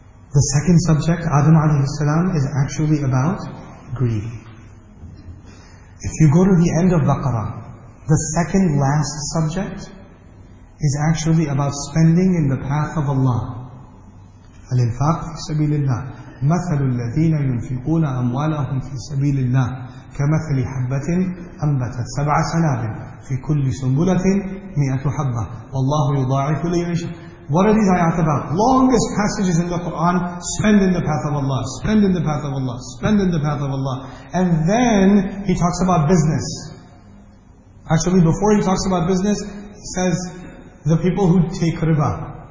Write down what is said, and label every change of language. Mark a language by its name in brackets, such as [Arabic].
[English] The second subject, Adam alayhi salam, is actually about greed. If you go to the end of Baqarah, the second last subject is actually about spending in the path of Allah. [Arabic] الإنفاق في سبيل الله. مثل الذين ينفقون أموالهم في سبيل الله كمثل حبة أنبتت سبع سنابل في كل سنبلة مئة حبة والله يضاعف لمن يشاء. [English] What are these ayat about? Longest passages in the Quran, spend in the path of Allah, spend in the path of Allah, spend in the path of Allah. And then he talks about business. Actually, before he talks about business, he says, the people who take riba.